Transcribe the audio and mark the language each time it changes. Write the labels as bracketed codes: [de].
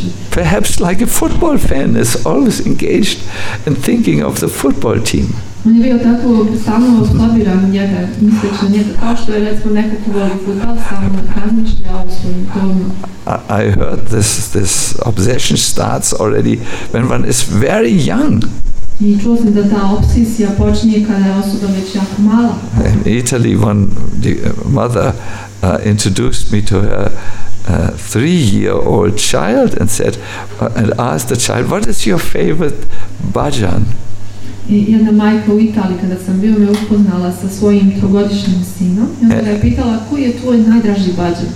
[en] Perhaps like a football fan is always engaged in thinking of the football team. [bs] On je bio tako stalno osklabiran njega, misleći na njega, kao što je recimo neko ko voli futbol, stalno razmišlja o svojim tomu. [en] I heard this obsession starts already when one is very young. [bs] I čuo sam da ta obsesija počinje kada je osoba već jako mala. [en] In Italy, the mother introduced me to her three-year-old child and said, and asked the child, what is your favorite bhajan? [bs] I jedna majka u Italiji, kada sam bio, me upoznala sa svojim trogodišnjim sinom i onda je pitala, koji je tvoj najdraži bhajan?